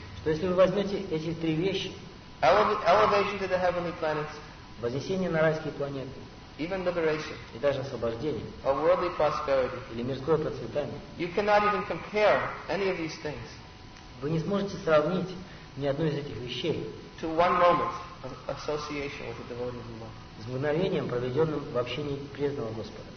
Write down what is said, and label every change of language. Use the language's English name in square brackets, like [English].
[Russian] Что если вы возьмете эти три вещи. [English] Elevation to the heavenly planets. [Russian] Вознесение на райские планеты. [English] Even liberation. [Russian] И даже освобождение. [English] Or worldly prosperity. [Russian] Или мирское процветание. [English] You cannot even compare any of these things. [Russian] Вы не сможете сравнить ни одну из этих вещей. [English] To one moment of association with the devotee of Allah. [Russian] С мгновением, проведенным в общении преданного Господа.